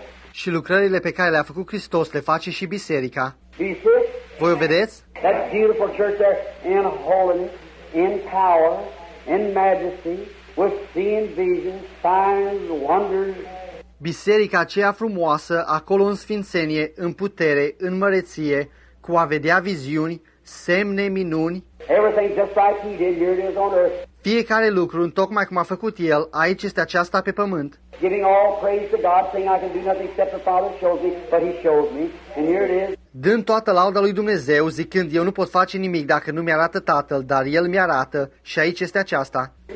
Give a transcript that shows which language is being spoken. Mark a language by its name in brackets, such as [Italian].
[Romanian] Și lucrările pe care le-a făcut Hristos le face și biserica. Voi o vedeți? [English] That's beautiful church there in holiness, in power, in majesty, with seeing visions, signs, wonders. [Romanian] Biserica aceea frumoasă, acolo în sfințenie, în putere, în măreție, cu a vedea viziuni, semne, minuni. [English] Everything just like he did, here it is on earth. [Romanian] Fiecare lucru, întocmai cum a făcut el, aici este aceasta pe pământ. [English] Giving all praise to God, saying I can do nothing except the Father shows me, but he shows me, and here it is. [Romanian] Dând toată lauda lui Dumnezeu, zicând, eu nu pot face nimic dacă nu mi-arată Tatăl, dar El mi-arată, și aici este aceasta.